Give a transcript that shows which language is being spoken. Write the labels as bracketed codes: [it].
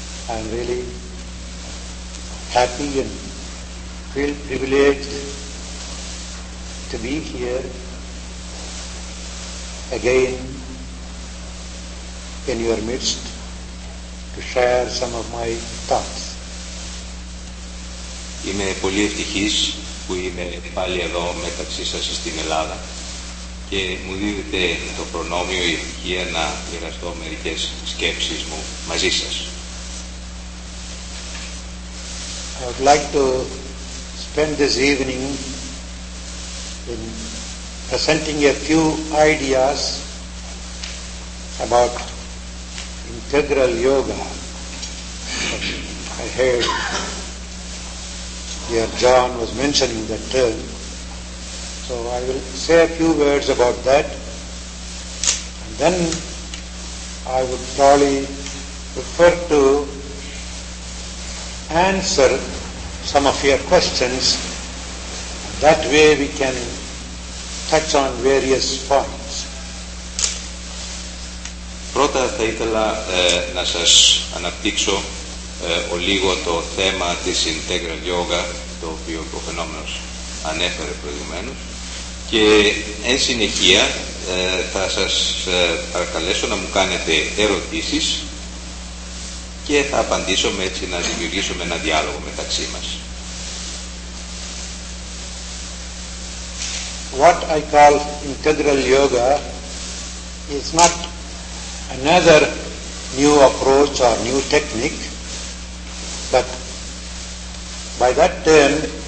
[en] I'm really happy and feel privileged to be here again in your midst to share some of my thoughts. [el] Είμαι πολύ ευτυχής που είμαι πάλι εδώ μεταξύ σας στην Ελλάδα και μου δίδεται το προνόμιο η ευτυχία να μοιραστώ μερικές σκέψεις μου μαζί σας. [en] I would like to spend this evening in presenting a few ideas about integral yoga. I heard here John was mentioning that term, so I will say a few words about that, and then I would probably prefer to answer some of your questions. That way we can touch on various points. [el] Πρώτα θα ήθελα να σας αναπτύξω λίγο το θέμα της Integral Yoga, το οποίο ο προφαινόμενος ανέφερε προηγουμένως, και εν συνεχεία θα σας παρακαλέσω να μου κάνετε ερωτήσεις και θα απαντήσουμε έτσι να δημιουργήσουμε ένα διάλογο μεταξύ μας. [en] What I call integral yoga is not another new approach or new technique, but by that term